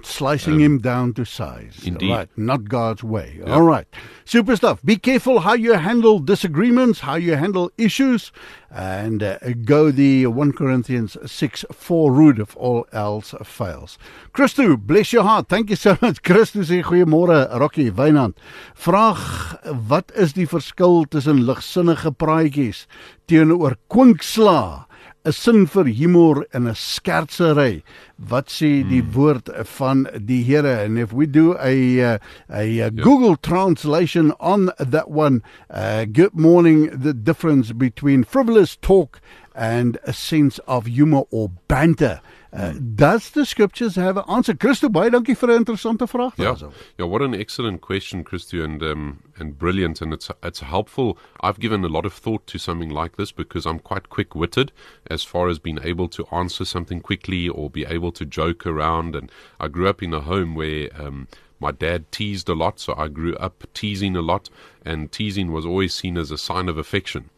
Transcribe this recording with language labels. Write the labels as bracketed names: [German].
[English] Slicing him down to size. Indeed. Right, not God's way. Yep. All right. Super stuff. Be careful how you handle disagreements, how you handle issues, and go the 1 Corinthians 6, 4 route if all else fails. Christo, bless your heart. Thank you so much. Christo [Afrikaans] sê, goeiemorgen, [English] Rocky, Wynand. [Afrikaans] Vraag, wat is die verskil tussen ligsinnige praatjies teenoor kwinksla? A sin vir humor en a skertsery. Wat sê die woord van die Here? [English] And if we do a Google translation on that one, good morning, the difference between frivolous talk and a sense of humor or banter. Does the scriptures have an answer? [Afrikaans] Christo, baie dankie vir 'n interessante vraag. [English] Yeah, what an excellent question, Christo, and brilliant, and it's helpful. I've given a lot of thought to something like this because I'm quite quick-witted as far as being able to answer something quickly or be able to joke around. And I grew up in a home where my dad teased a lot, so I grew up teasing a lot, and teasing was always seen as a sign of affection.